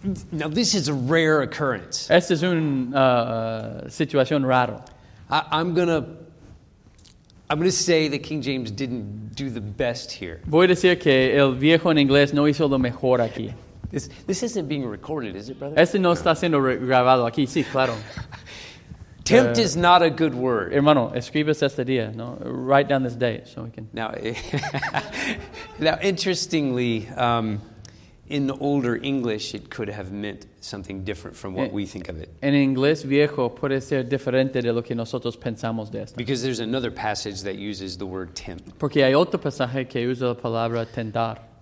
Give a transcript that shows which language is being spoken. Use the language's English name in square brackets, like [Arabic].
[English] Now this is a rare occurrence. [Spanish] Esta es una situación rara. [English] I'm going to say that King James didn't do the best here. [Spanish] Voy a decir que el viejo en inglés no hizo lo mejor aquí. [English] This isn't being recorded, is it, brother? [Spanish] Este no está siendo grabado aquí. Sí, claro. [English] Tempt is not a good word. [Spanish] Hermano, escribes este día, no? [English] Write down this date so we can. Now, now interestingly, in the older English, it could have meant something different from what we think of it. [Spanish] En inglés viejo puede ser diferente de lo que nosotros pensamos de esto. [English] Because there's another passage that uses the word tempt. [Spanish] Porque hay otro pasaje que usa la palabra tentar.